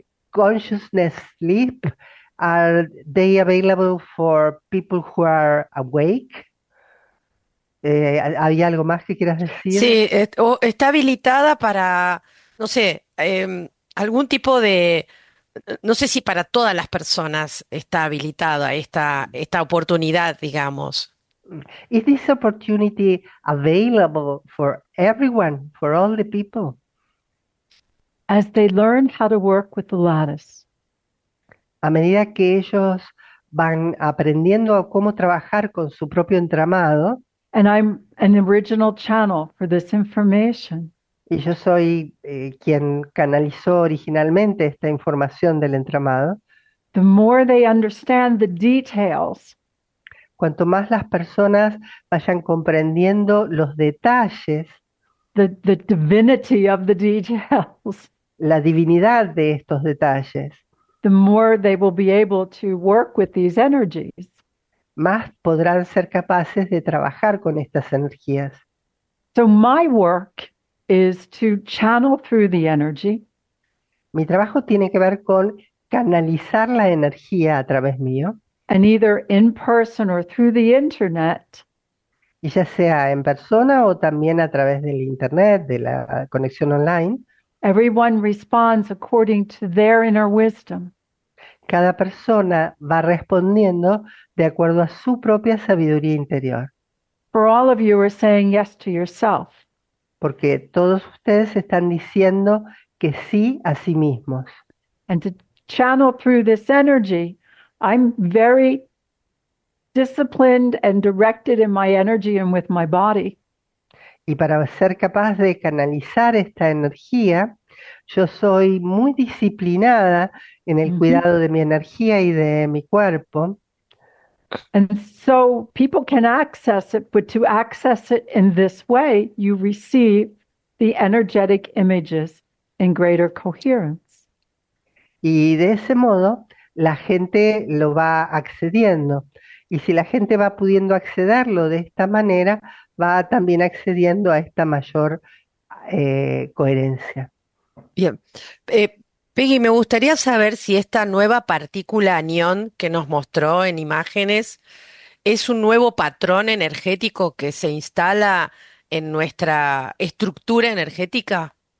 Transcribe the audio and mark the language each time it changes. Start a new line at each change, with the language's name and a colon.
English: consciousness sleep, are they available for people who are awake?
Spanish: ¿Hay algo más que quieras decir? Sí, está habilitada para, no sé, algún tipo de, no sé si para todas las personas está habilitada esta oportunidad, digamos.
English: Is this opportunity available for everyone, for all the people? As they learn how to work with the lattice.
Spanish: A medida que ellos van aprendiendo a cómo trabajar con su propio entramado,
English: And I'm an original channel for this information.
Spanish: y yo soy quien canalizó originalmente esta información del entramado.
English: The more they understand the details,
Spanish: Cuanto más las personas vayan comprendiendo los detalles,
English: the divinity of the details,
Spanish: la divinidad de estos detalles,
English: the more they will be able to work with these energies.
Spanish: más podrán ser capaces de trabajar con estas energías.
English: So my work is to channel through the energy.
Spanish: Mi trabajo tiene que ver con canalizar la energía a través mío.
English: And either in person or through the internet,
Spanish: Y ya sea en persona o también a través del internet, de la conexión online,
English: everyone responds according to their inner wisdom.
Spanish: cada persona va respondiendo de acuerdo a su propia sabiduría interior.
English: For all of you are saying yes to yourself.
Spanish: Porque todos ustedes están diciendo que sí a sí mismos.
English: And to channel through this energy, I'm very disciplined and directed in my energy and with my body.
Spanish: Y para ser capaz de canalizar esta energía, yo soy muy disciplinada en el cuidado de mi energía y de mi cuerpo.
English: And so people can access it, but to access it in this way, you receive the energetic images in greater coherence.
Spanish: Y de ese modo, la gente lo va accediendo. Y si la gente va pudiendo accederlo de esta manera, va también accediendo a esta mayor coherencia. Bien. Peggy, me gustaría saber si esta nueva partícula anión que nos mostró en imágenes es un nuevo patrón energético que se instala en nuestra estructura energética.